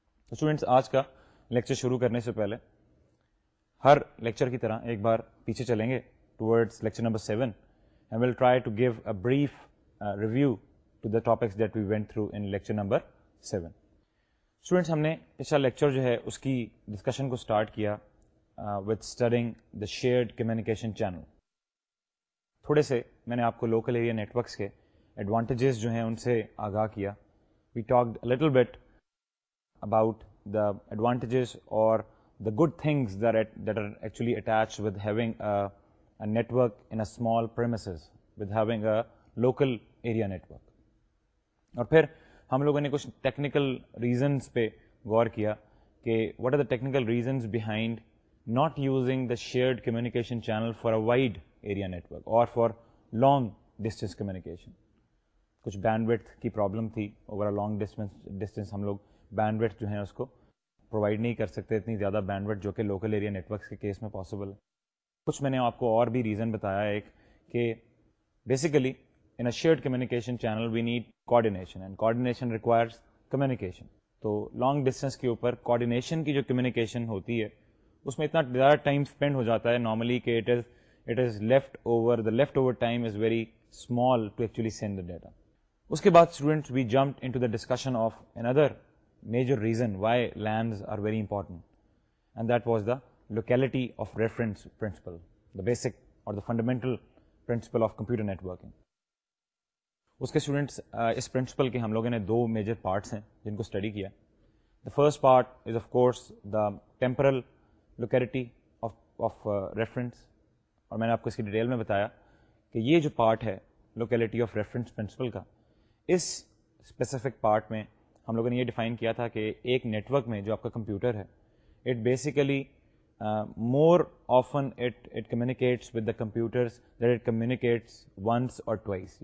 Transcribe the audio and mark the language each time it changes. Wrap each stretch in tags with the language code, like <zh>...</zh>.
<ur>Students, آج کا lecture شروع کرنے سے پہلے ہر لیکچر کی طرح ایک بار پیچھے چلیں گے</ur> <en>Towards lecture number 7، and will try to give a brief review to the topics that we went through in lecture number 7.</en> <ur>Students, ہم نے پچھلا لیکچر جو ہے اس کی ڈسکشن کو اسٹارٹ کیا</ur> <en>With studying the shared communication channel.</en> <ur>تھوڑے سے میں نے آپ کو لوکل ایریا نیٹورکس کے ایڈوانٹیجز جو ہیں ان سے آگاہ کیا.</ur> <en>We talked a little bit about the advantages or the good things that are actually attached with having a network in a small premises, with having a local area network.</en> <ur>Aur phir hum logon ne kuch technical reasons pe gaur kiya ke</ur> <en>what are the technical reasons behind not using the shared communication channel for a wide area network or for long distance communication.</en> <ur>کچھ band ویٹھ کی problem تھی،</ur> <en>over a long distance</en> <ur>ہم لوگ band ویٹھ جو ہیں اس کو provide نہیں کر سکتے اتنی زیادہ بینڈ ویٹھ جو کہ لوکل ایریا نیٹورکس کے کیس میں پاسبل ہے. کچھ میں نے آپ کو اور بھی ریزن بتایا ایک، کہ basically</ur> <en>In a shared communication channel we need coordination, and coordination requires communication.</en> <ur>تو لانگ ڈسٹینس کے اوپر کوآرڈینیشن کی جو کمیونیکیشن ہوتی ہے اس میں اتنا زیادہ ٹائم اسپینڈ ہو جاتا ہے نارملی کہ</ur> <en>It is left over, the left over time is very small to actually send the data.</en> <ur>اس کے بعد students,</ur> <en>We jumped into the discussion of under major reason why LANs are very important, and that was the locality of reference principle, the basic اور the fundamental principle of computer networking.</en> <ur>اس کے students, اس principal کے ہم لوگوں نے دو major parts ہیں جن کو study کیا.</ur> <en>the first part is of course the temporal locality of reference,</en> <ur>اور میں نے آپ کو اس کی ڈیٹیل میں بتایا کہ یہ جو پارٹ ہے لوکیلٹی آف ریفرنس پرنسپل کا، اس اسپیسیفک پارٹ میں ہم لوگوں نے یہ ڈیفائن کیا تھا کہ ایک نیٹورک میں جو آپ کا کمپیوٹر ہے،</ur> <en>It basically more often it communicates with the computers that it communicates once or twice.</en>